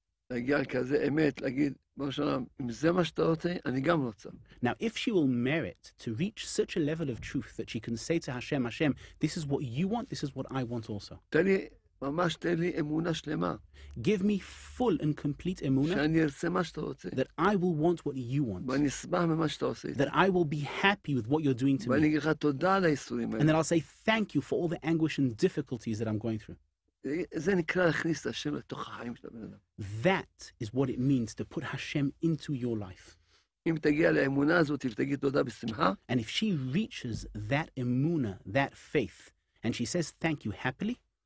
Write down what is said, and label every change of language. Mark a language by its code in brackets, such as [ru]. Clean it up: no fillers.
[he] להגיע לכזה אמת, להגיד, בואו שלום, אם זה מה שאתה רוצה, אני גם רוצה. [en] Now, if she will merit to reach such a level of truth that she can say to Hashem, Hashem, this is what you want, this is what I want also. [he] תן לי, ממש תן לי אמונה שלמה. [en] Give me full and complete אמונה. [he] שאני ארצה מה שאתה רוצה. [en] That I will want what you want. [he] ואני אשמח ממה שאתה עושה. [en] That I will be happy with what you're doing to [he] ואני אגיד לך תודה על האיסורים האלה. [en] And then I'll say thank you for all the anguish and difficulties that I'm going through. [he] זה נקרא להכניס את השם לתוך החיים של הבן אדם. [en] That is what it means to put Hashem into your life. [he] אם תגיע לאמונה הזאת ותגיד תודה בשמחה. [en] And if she reaches that אמונה, that faith, and she says thank you happily,